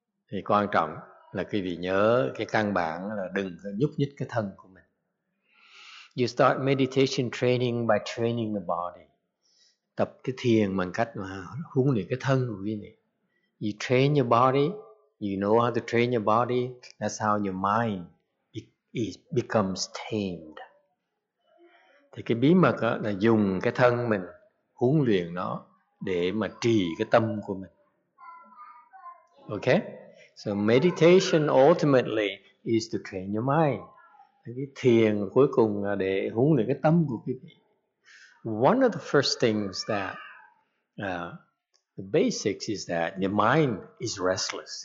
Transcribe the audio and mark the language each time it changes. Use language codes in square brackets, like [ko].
[vi] Thì quan trọng là quý vị nhớ cái căn bản là đừng nhúc nhích cái thân của mình. [en] You start meditation training by training the body. [vi] Tập cái thiền bằng cách mà huấn luyện cái thân của quý vị. [en] You train your body, you know how to train your body, that's how your mind becomes tamed. [vi] Thì cái bí mật là dùng cái thân mình huấn luyện nó để mà trì cái tâm của mình. [en] Okay? So meditation ultimately is to train your mind. [vi] Cái thiền cuối cùng là để huấn luyện cái tâm của quý vị. [en] One of the first things that the basics is that your mind is restless.